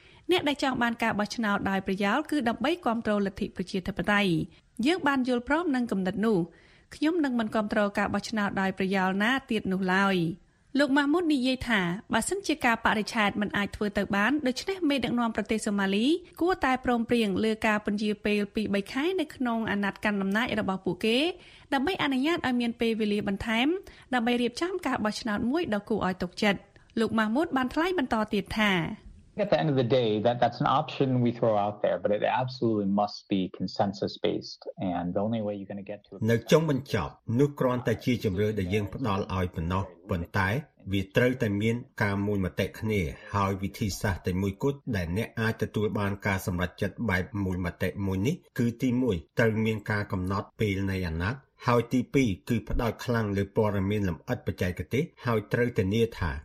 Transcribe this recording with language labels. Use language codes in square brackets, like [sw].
[km] អ្នកដែលចង់បានការបោះឆ្នោតដោយប្រយោលគឺដើម្បីគ្រប់គ្រងលទ្ធិប្រជាធិបតេយ្យយើងបានយល់ព្រមនឹងគំនិតនោះខ្ញុំនឹងមិនគ្រប់គ្រងការបោះឆ្នោតដោយប្រយោលណាទៀតនោះឡើយលោកម៉ាមូតនិយាយថាបើសិនជាការបរិឆេទមិនអាចធ្វើទៅបានដូច្នេះមេដឹកនាំប្រទេសសូម៉ាលីគួរតែព្រមព្រៀងលើការពន្យារពេល2-3ខែនៅក្នុងអាណត្តិកាន់អំណាចរបស់ពួកគេដើម្បីអនុញ្ញាតឲ្យមានពេលវេលាបន្ថែមដើម្បីរៀបចំការបោះឆ្នោតមួយដ៏គួរឲ្យទុកចិត្តលោកម៉ាមូតបានថ្លែងបន្តទៀតថា [en] at the end of the day that's an option we throw out there but it absolutely must be consensus based and the only way you're going to get to [km] នៅចុងបញ្ចប់នោះគ្រាន់តែជាជំរឿដែលយើងផ្ដល់ឲ្យប៉ុណ្ណោះប៉ុន្តែវាត្រូវតែមានការមួយមតិគ្នាហើយវិធីសាស្ត្រតែមួយគត់ដែលអ្នកអាចទទួលបានការសម្រេចចិត្តបែបមួយមតិមួយនេះគឺទី1ត្រូវមានការកំណត់ពេលនៃអាណត្តិហើយទី2គឺផ្ដោតខ្លាំងលើព័ត៌មានលម្អិតបច្ចេកទេសហើយត្រូវធានាថា